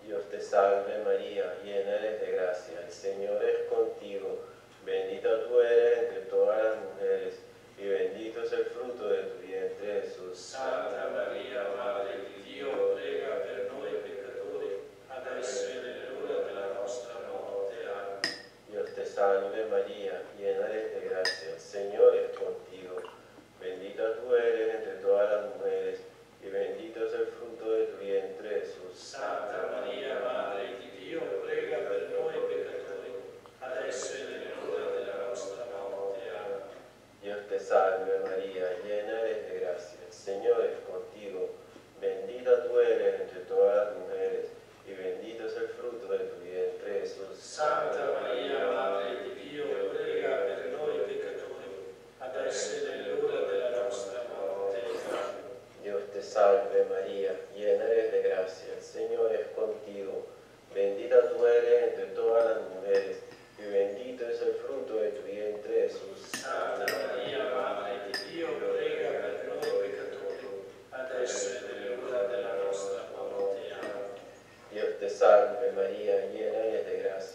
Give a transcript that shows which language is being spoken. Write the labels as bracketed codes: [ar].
[es] te salve María, llena eres de gracia, el Señor es contigo, bendita tú eres entre todas las mujeres, y bendito es el fruto de tu vientre, Jesús. Santa María, Madre de Dios, [it] prega per noi peccatori, adesso e nell'ora della nostra morte. [es] Amén. Dios te salve María, llena eres de gracia, el Señor es contigo, bendita tú eres entre todas las mujeres, y bendito es el fruto de tu vientre, Jesús. Santa María, Madre de Dios, [it] prega per noi peccatori, adesso e nell'ora della nostra morte. [es] Amén. Dios te salve María, llena eres de gracia, el Señor es contigo. Bendita tú eres entre todas las mujeres, y bendito es el fruto de tu vientre, Jesús. Santa María, Madre de Dios, [it] prega per noi peccatori, adesso e nell'ora della nostra morte. [es] Amén. Dios te salve María, llena eres de gracia, el Señor es contigo. Bendita tú eres entre todas las mujeres, y bendito es el fruto de tu vientre, Jesús. Santa María, Madre de Dios, [it] prega per noi peccatori, adesso e nell'ora della nostra morte. [es] Amén. Dios te salve María, llena eres de gracia.